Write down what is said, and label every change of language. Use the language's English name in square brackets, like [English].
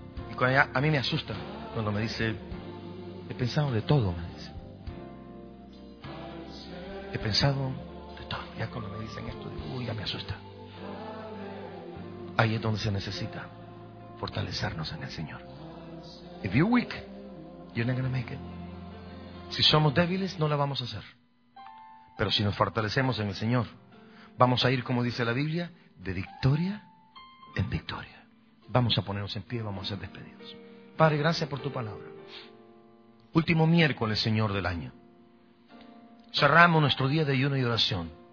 [Spanish] Y cuando ya, a mí me asusta cuando me dice, he pensado de todo, me dice. He pensado de todo. Ya cuando me dicen esto, digo, ya me asusta. Ahí es donde se necesita fortalecernos en el Señor. [English] If you're weak, you're not going to make it. [Spanish] Si somos débiles, no la vamos a hacer. Pero si nos fortalecemos en el Señor, vamos a ir, como dice la Biblia, de victoria en victoria. Vamos a ponernos en pie, vamos a ser despedidos. Padre, gracias por tu palabra. Último miércoles, Señor, del año. Cerramos nuestro día de ayuno y oración.